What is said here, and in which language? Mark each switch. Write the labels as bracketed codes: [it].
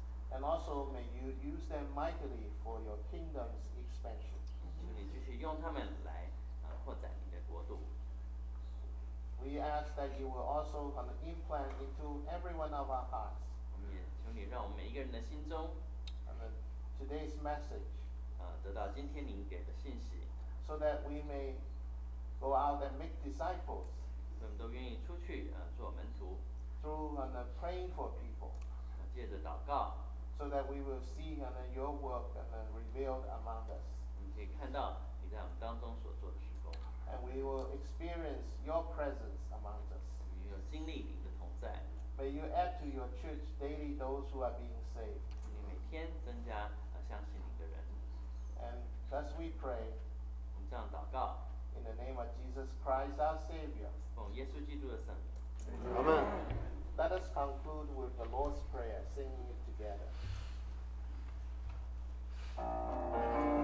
[en] And also, may you use them mightily for your kingdom's expansion. [zh] 求你继续用他们来扩展你的国度。 [en] We ask that you will also implant into every one of our hearts. [zh] 我们也求你让我们每一个人的心中 [en] today's message. [zh] 得到今天您给的信息。 [en] So that we may go out and make disciples. [zh] 我们都愿意出去做门徒。 [en] Through praying for people. [zh] 借着祷告。 [en] So that we will see your work revealed among us. [zh] 我们可以看到你在我们当中所做的事工。 [en] And we will experience your presence among us. [zh] 你要经历你的同在。 [en] May you add to your church daily those who are being saved. [zh] 你每天增加相信你的人。 [en] And thus we pray. [zh] 我们这样祷告。 [en] In the name of Jesus Christ, our Savior. [zh] 奉耶稣基督的圣名。 [en] Amen. Let us conclude with the Lord's Prayer, singing it together.